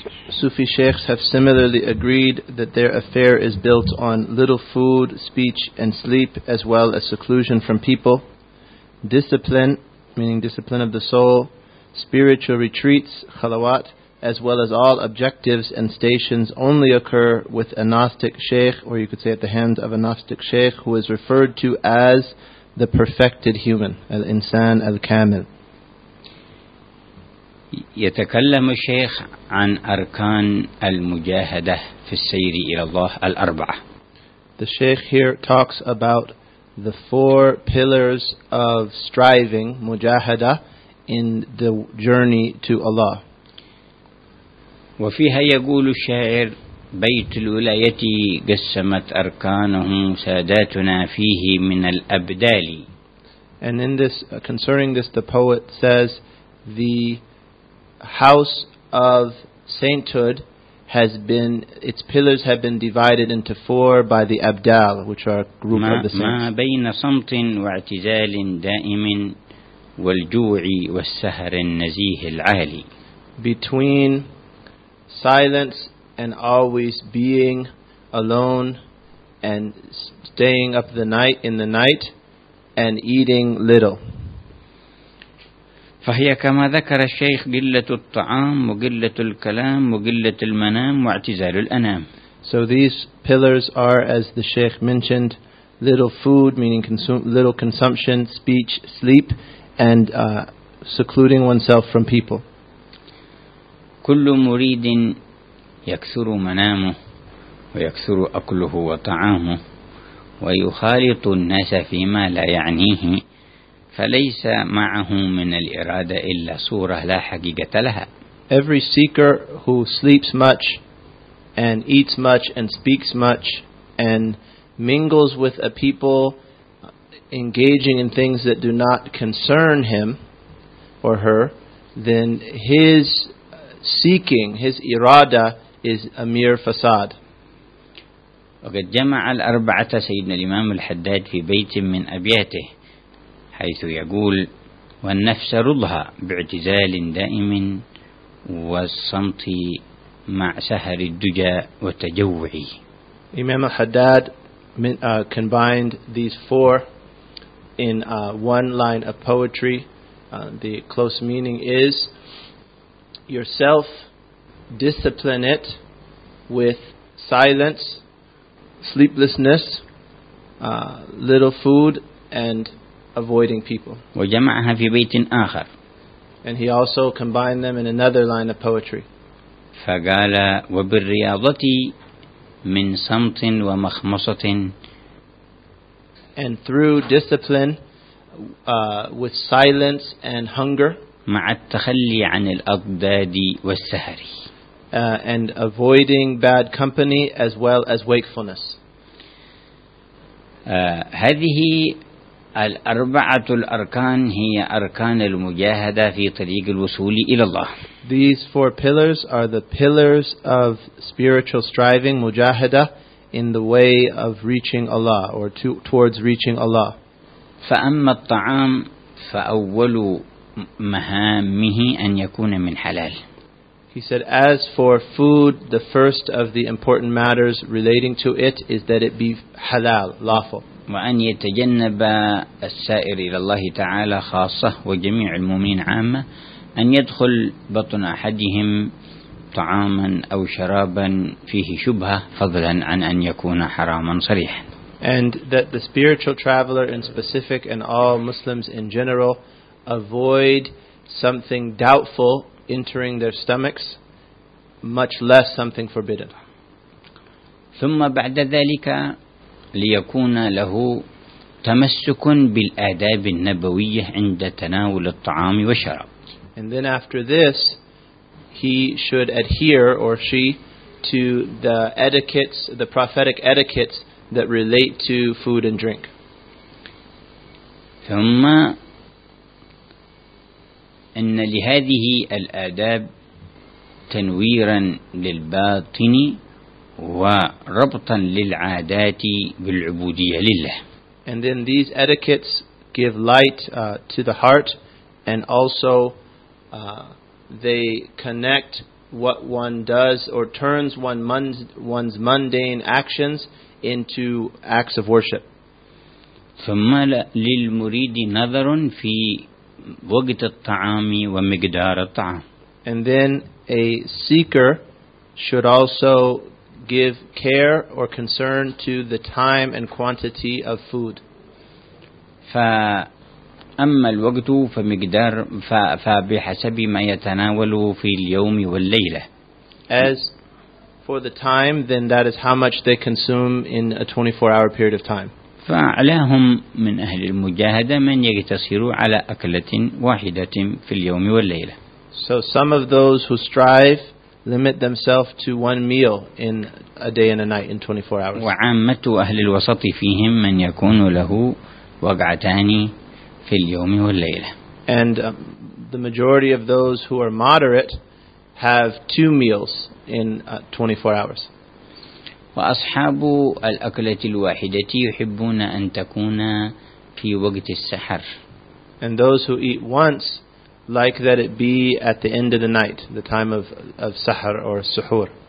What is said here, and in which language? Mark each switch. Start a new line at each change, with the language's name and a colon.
English: Sufi sheikhs have similarly agreed that their affair is built on little food, speech, and sleep, as well as seclusion from people, discipline, meaning discipline of the soul, spiritual retreats, khalawat, as well as all objectives and stations only occur with a Gnostic sheikh, or you could say at the hands of a Gnostic sheikh, who is referred to as the perfected human, al-insan al-kamil.
Arabic: يتكلم الشيخ عن أركان المجاهدة في السير إلى الله الأربعة.
English: The Shaykh here talks about the four pillars of striving, مجاهدة, in the journey to Allah.
Arabic: وفيها يقول الشاعر بيت الولاية قسمت أركانهم ساداتنا فيه من الأبدال.
English: And in this, concerning this, the poet says the house of sainthood has been, its pillars have been divided into four by the abdal, which are group of the saints.
Arabic: ما بين صمت واعتزال دائم والجوع والسهر النزيه العالي.
English: Between silence and always being alone and staying up the night in the night and eating little.
Arabic: فهي كما ذكر الشيخ قلة الطعام وقلة الكلام وقلة المنام واعتزال الأنام.
English: So these pillars are, as the Shaykh mentioned, little food, meaning little consumption, speech, sleep, and secluding oneself from people.
Arabic: كل مريد يكثر منامه ويكثر أكله وطعامه ويخالط الناس فيما لا يعنيه فليس معه من الإرادة إلا صورة لا حقيقة لها.
English: Every seeker who sleeps much and eats much and speaks much and mingles with a people engaging in things that do not concern him or her, then his seeking, his irada, is a mere facade.
Arabic: وقد جمع الأربعة سيدنا الإمام الحداد في بيت من أبياته حيث يقول والنفس رضها باعتزال دائم والصمت مع سهر الدجى وتجوع.
English: Imam al-Haddad combined these four in one line of poetry. The close meaning is yourself discipline it with silence, sleeplessness, little food, and avoiding people.
Arabic: وجمعها في بيت آخر.
English: And he also combined them in another line of poetry.
Arabic: فقال وبالرياضة من صمت ومخمصة.
English: And through discipline, with silence and hunger.
Arabic: مع التخلي عن الأضداد والسهر.
English: And avoiding bad company as well as wakefulness.
Arabic: هذه الأربعة الأركان هي أركان المجاهدة في طريق الوصول إلى الله.
English: These four pillars are the pillars of spiritual striving, mujahada, in the way of reaching Allah or towards reaching Allah.
Arabic: فأما الطعام فأول مهامه أن يكون من حلال.
English: He said, as for food, the first of the important matters relating to it is that it be halal, lawful.
Arabic: وأن يتجنب السائر إلى الله تعالى خاصة وجميع المؤمنين عامة أن يدخل بطن أحدهم طعاما أو شرابا فيه شبهة فضلا عن أن يكون حراما صريحا.
English: And that the spiritual traveler in specific and all Muslims in general avoid something doubtful entering their stomachs, much less something forbidden.
Arabic: ثم بعد ذلك ليكون له تمسك بالآداب النبوية عند تناول الطعام والشراب.
English: And then after this, he should adhere or she to the etiquettes, the prophetic etiquettes that relate to food and drink.
Arabic: ثم إن لهذه الآداب تنويرا للباطن وربطا للعادات بالعبودية لله.
English: And then these etiquettes give light to the heart, and also they connect what one does or turns one's mundane actions into acts of worship.
Arabic: ثم للمريد نظر في وقت الطعام ومقدار الطعام.
English: And then a seeker should also give care or concern to the time and quantity of food.
Arabic: فأما الوقت فمقدار فبحسب ما يتناوله في اليوم والليلة.
English: As for the time, then that is how much they consume in a 24-hour period of time.
Arabic: فعليهم من أهل المجاهدة من يقتصروا على أكلة واحدة في اليوم والليلة.
English: So some of those who strive limit themselves to one meal in a day and a night in 24 hours.
Arabic: وعامة أهل الوسط فيهم من يكون له وقعتان في اليوم والليلة.
English: And the majority of those who are moderate have two meals in 24 hours.
Arabic: وأصحاب الأكلة الواحدة يحبون أن تكون في وقت السحر.
English: And those who eat once like that it be at the end of the night, the time of sahar or suhoor.